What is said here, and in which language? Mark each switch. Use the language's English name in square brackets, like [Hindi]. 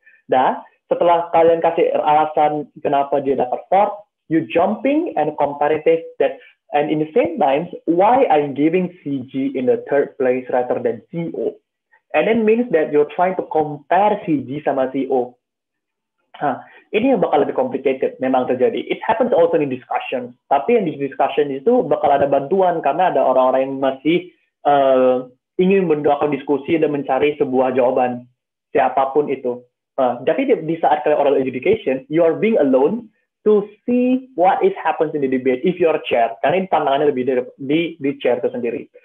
[Indonesian] Nah, setelah kalian kasih alasan kenapa dia dapat [English] four, you jumping and comparative that, and in the same times, why I'm giving CG in the third place rather than CO? And then means that you're trying to compare CG sama CO. [Indonesian] Ini yang bakal lebih complicated memang terjadi. [English] It happens also in discussion. [Indonesian] Tapi yang di discussion itu bakal ada bantuan karena ada orang-orang yang masih ingin mendoakan diskusi dan mencari sebuah jawaban siapapun itu. Tapi di saat kalian [English] oral adjudication, you are being alone to see what is happens in the debate if you are chair. [Indonesian] Karena ini tantangannya lebih di chair itu sendiri.